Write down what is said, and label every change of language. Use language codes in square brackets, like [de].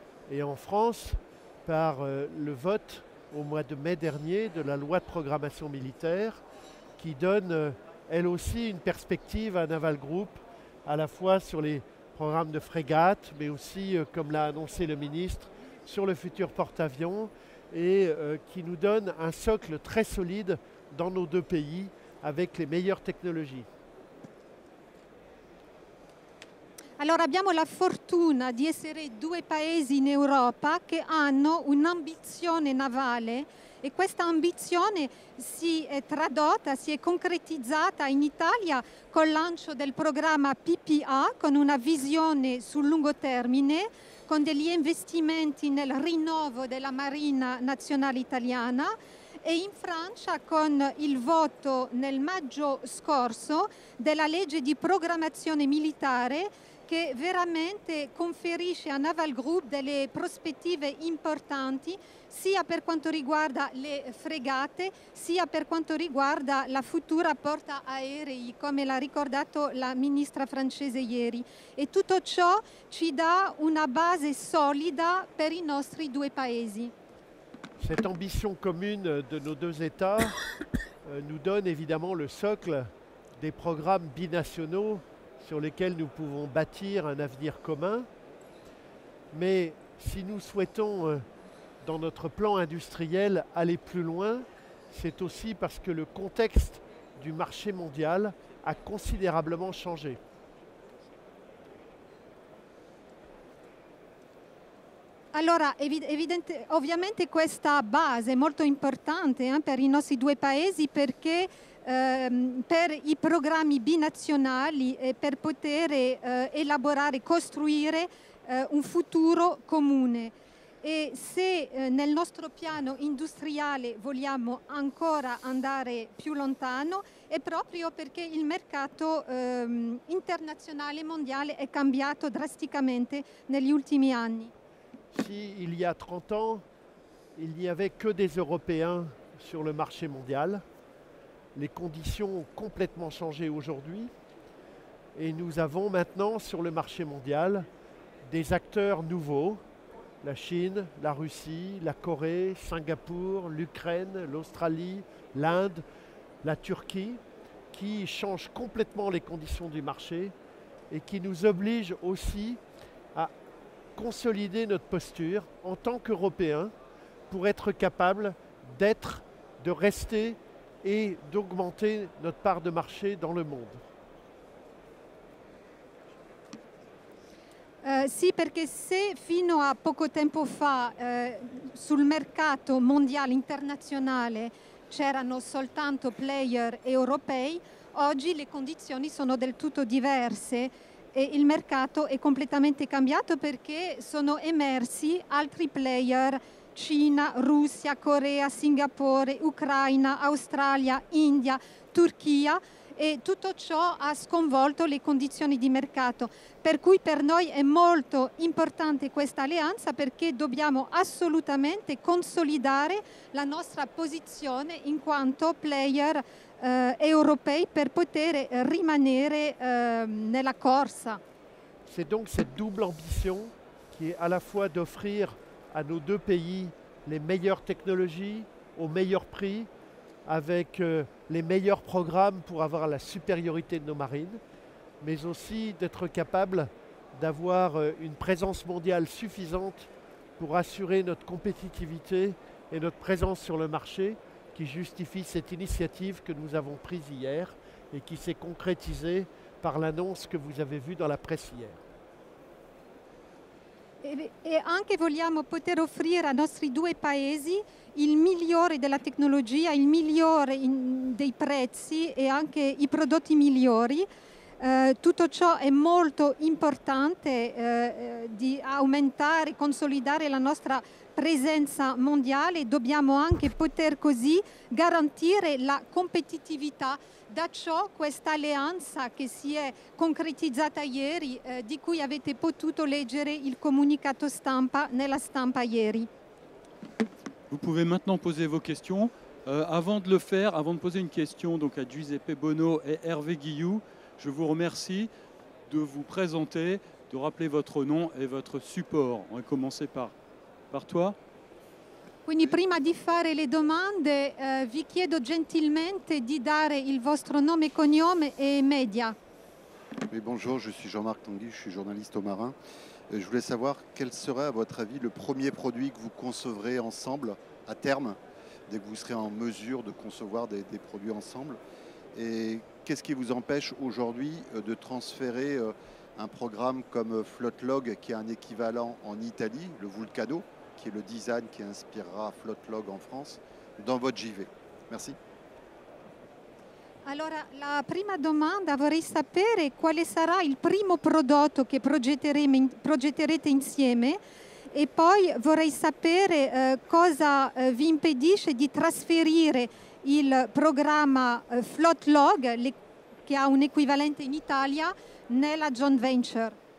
[fr] et en France par le vote au mois de mai dernier de la loi de programmation militaire qui donne elle aussi une perspective à Naval Group à la fois sur les programmes de frégates mais aussi, comme l'a annoncé le ministre, sur le futur porte-avions et qui nous donne un socle très solide dans nos deux pays avec les meilleures technologies. [it] Allora, abbiamo la fortuna di essere due paesi in Europa che hanno un'ambizione navale e questa ambizione si è tradotta, si è concretizzata in Italia col lancio del programma PPA con una visione sul lungo termine, con degli investimenti nel rinnovo della Marina Nazionale Italiana e in Francia con il voto nel maggio scorso della legge di programmazione militare che veramente conferisce a Naval Group delle prospettive importanti sia per quanto riguarda le fregate sia per quanto riguarda la futura porta aerei, come l'ha ricordato la ministra francese ieri. E tutto ciò ci dà una base solida per i nostri due paesi. [fr] Cette ambition commune de nos deux États nous donne évidemment le socle des programmes binationaux sur lesquels nous pouvons bâtir un avenir commun. Mais si nous souhaitons, dans notre plan industriel, aller plus loin, c'est aussi parce que le contexte du marché mondial a considérablement changé. [it] Allora, ovviamente questa base è molto importante per i nostri due paesi perché per i programmi binazionali e per poter elaborare, costruire un futuro comune. E se nel nostro piano industriale vogliamo ancora andare più lontano è proprio perché il mercato internazionale mondiale è cambiato drasticamente negli ultimi anni. [fr] Si il y a 30 ans il n'y avait que des Européens sur le marché mondial, les conditions ont complètement changé aujourd'hui et nous avons maintenant sur le marché mondial des acteurs nouveaux, la Chine, la Russie, la Corée, Singapour, l'Ukraine, l'Australie, l'Inde, la Turquie, qui changent complètement les conditions du marché et qui nous obligent aussi à consolider notre posture en tant qu'Européens pour être capables d'être, de rester e d'augmenter notre part de marché dans le monde. [it] Sì, perché se fino a poco tempo fa sul mercato mondiale internazionale c'erano soltanto player europei, oggi le condizioni sono del tutto diverse e il mercato è completamente cambiato perché sono emersi altri player: Cina, Russia, Corea, Singapore, Ucraina, Australia, India, Turchia, e tutto ciò ha sconvolto le condizioni di mercato. Per cui per noi è molto importante questa alleanza perché dobbiamo assolutamente consolidare la nostra posizione in quanto player europei per poter rimanere nella corsa. [fr] C'est donc cette double ambition qui est à la fois d'offrir à nos deux pays les meilleures technologies, au meilleur prix, avec les meilleurs programmes pour avoir la supériorité de nos marines, mais aussi d'être capable d'avoir une présence mondiale suffisante pour assurer notre compétitivité et notre présence sur le marché, qui qui justifie cette initiative que nous avons prise hier et qui s'est concrétisée par l'annonce que vous avez vue dans la presse hier. [it] E anche vogliamo poter offrire ai nostri due paesi il migliore della tecnologia, il migliore dei prezzi e anche i prodotti migliori. Tutto ciò è molto importante di aumentare, consolidare la nostra presenza mondiale. Dobbiamo anche poter così garantire la competitività. Da ciò questa alleanza che si è concretizzata ieri, di cui avete potuto leggere il comunicato stampa nella stampa ieri. [fr] Vous pouvez maintenant poser vos questions. Avant de le faire, avant de poser une question donc à Giuseppe Bono et Hervé Guillou, je vous remercie de vous présenter, de rappeler votre nom et votre support. On va commencer par toi. [it] Quindi prima di fare le domande vi chiedo gentilmente di dare il vostro nome, cognome e media. [fr] Oui, bonjour, je suis Jean-Marc Tanguy, je suis journaliste au Marin. Je voulais savoir quel serait à votre avis le premier produit que vous concevrez ensemble à terme, dès que vous serez en mesure de concevoir des produits ensemble. Et qu'est-ce qui vous empêche aujourd'hui de transférer un programme comme Floatlog, qui a un équivalent en Italie, le Vulcano, qui est le design qui inspirera Floatlog en France, dans votre JV. Merci. [it] Allora, la prima domanda, vorrei sapere quale sarà il primo prodotto che progetterete insieme e poi vorrei sapere cosa vi impedisce di trasferire il programma Floatlog, che ha un equivalente in Italia, nella joint venture.